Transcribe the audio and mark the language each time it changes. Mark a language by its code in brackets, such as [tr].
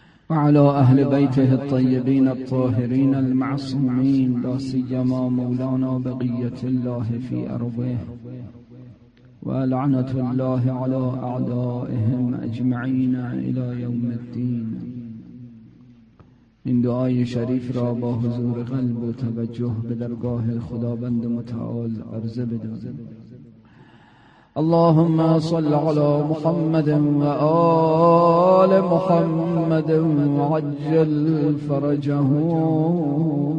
[ar] وعلى أهل بيته الطيبين الطاهرين المعصومين لا سيما مولانا بقية الله في أرضه ولعنة الله على أعدائهم أجمعين إلى يوم الدين. [fa] این دعای شریف را با حضور قلب و توجه به درگاه خداوند متعال عرضه بدارم. [ar] اللهم صل على محمد وآل محمد وعجل فرجه.